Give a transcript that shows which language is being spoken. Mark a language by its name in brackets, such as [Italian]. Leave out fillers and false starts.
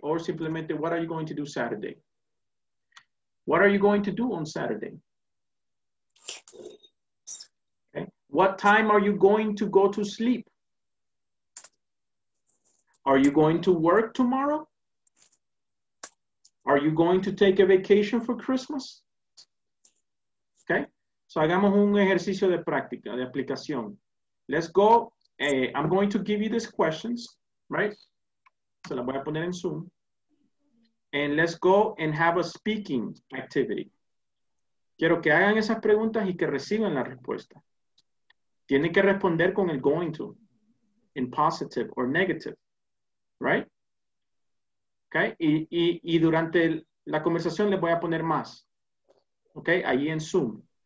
[English] Or simplemente, what are you going to do Saturday? What are you going to do on Saturday? What time are you going to go to sleep? Are you going to work tomorrow? Are you going to take a vacation for Christmas? Okay. [Spanish] So hagamos un ejercicio de práctica, de aplicación. [English] Let's go. I'm going to give you these questions, right? [Spanish] Se las voy a poner en Zoom. [English] And let's go and have a speaking activity. [Spanish] Quiero que hagan esas preguntas y que reciban la respuesta. Tiene que responder con el going to, [English] in positive or negative, [Spanish] right? Okay, y durante la conversación le voy a poner más, okay, ahí en Zoom.